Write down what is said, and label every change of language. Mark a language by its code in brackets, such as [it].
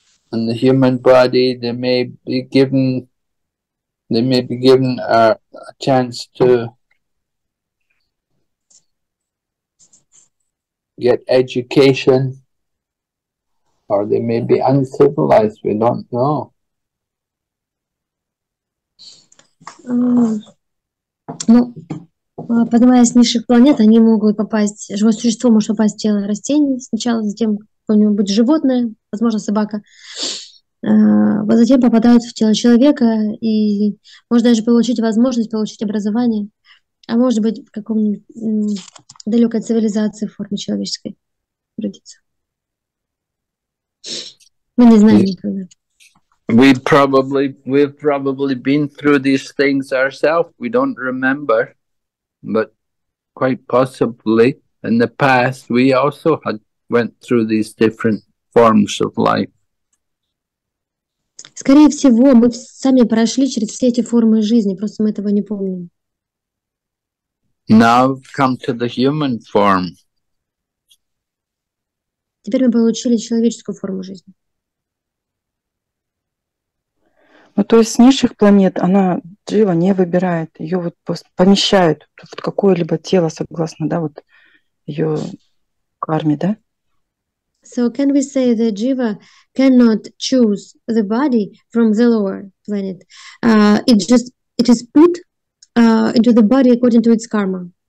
[en] And the human body, they may be given a chance to get education, or they may be uncivilized, we don't know. [ru] Ну, поднимаясь с низших планет, они могут попасть, живое существо может попасть в тело растений сначала, затем какое-нибудь животное, возможно, собака, а затем попадают в тело человека, и можно даже получить возможность получить образование. А может быть, в каком-нибудь далекой цивилизации в форме человеческой родиться. Мы не знаем никогда. [en] We've probably been through these things ourselves. We don't remember. But quite possibly in the past we also had went through these different forms of life. [ru] Скорее всего, мы сами прошли через все эти формы жизни, просто мы этого не помним. [en] Now come to the human form. [ru] Теперь мы получили человеческую форму жизни. Ну, то есть с низших планет она джива не выбирает, ее вот помещают в какое-либо тело согласно, да, вот ее карме, да? [en] So can we say that jiva cannot choose the body from the lower planet? It is put into the body according to its karma.